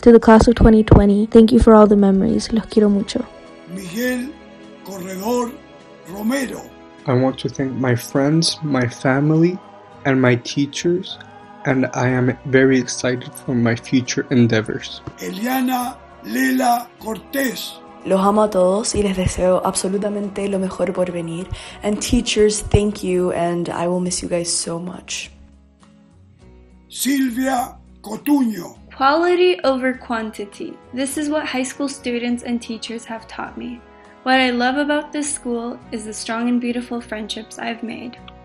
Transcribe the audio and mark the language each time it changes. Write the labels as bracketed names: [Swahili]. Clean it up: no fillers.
[English] To the class of 2020, thank you for all the memories. [Spanish] Los quiero mucho. Miguel Corredor Romero. [English] I want to thank my friends, my family, and my teachers, and I am very excited for my future endeavors. [Spanish] Eliana Lela Cortez. Los amo a todos y les deseo absolutamente lo mejor por venir. [English] And teachers, thank you, and I will miss you guys so much. [Spanish] Silvia Cotuño. [English] Quality over quantity. This is what high school students and teachers have taught me. What I love about this school is the strong and beautiful friendships I've made.